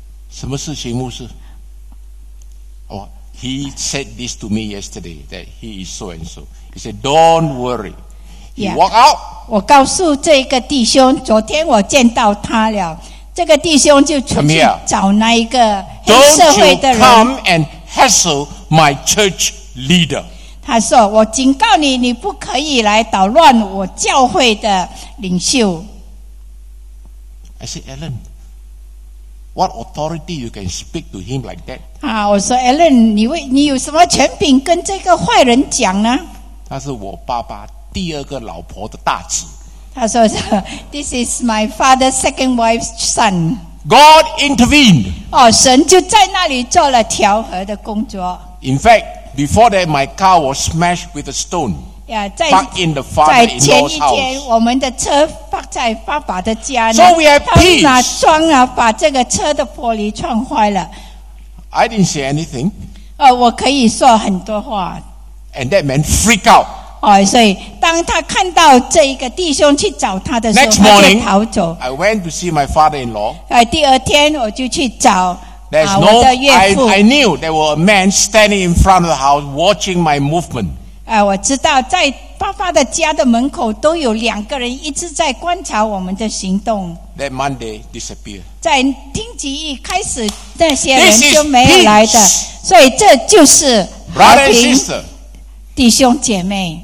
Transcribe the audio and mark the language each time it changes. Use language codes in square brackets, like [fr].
[zh] 什么事情牧师 [en] He said this to me yesterday that he is so and so. He said, "Don't worry." He walk out. [zh] 我告诉这个弟兄，昨天我见到他了。这个弟兄就出去找那一个黑社会的人。 [en] Don't you come and hassle my church leader. [zh] 他说：“我警告你，你不可以来捣乱我教会的领袖。” [en] I said, "Alan. What authority you can speak to him like that? [zh] 啊，我说 Alan， 你有什么权柄跟这个坏人讲呢？他是我爸爸第二个老婆的大子。他说 [en] ，This is my father's second wife's son. God intervened. [zh] 哦，神就在那里做了调和的工作。 [en] In fact, before that, my car was smashed with a stone. Yeah, back in the father-in-law's house. [zh] 在前一天，我们的车。放在爸爸的家呢 [en] so we have peace. [zh] 他拿砖啊，把这个车的玻璃撞坏了。 [en] I didn't say anything. [zh] 我可以说很多话。 [en] And that man freak out. [zh] 所以当他看到这一个弟兄去找他的时候， [en] Next morning, [zh] 他就跑走。 [en] I went to see my father-in-law. [zh] 第二天我就去找。 [en] There's no, [zh] 我的岳父。 [en] I knew there were a man standing in front of the house watching my movement. [zh] 我知道在爸爸的家的门口都有两个人一直在观察我们的行动。 That Monday disappeared. 在听集一开始那些人就没有来的，所以这就是和平。弟兄姐妹，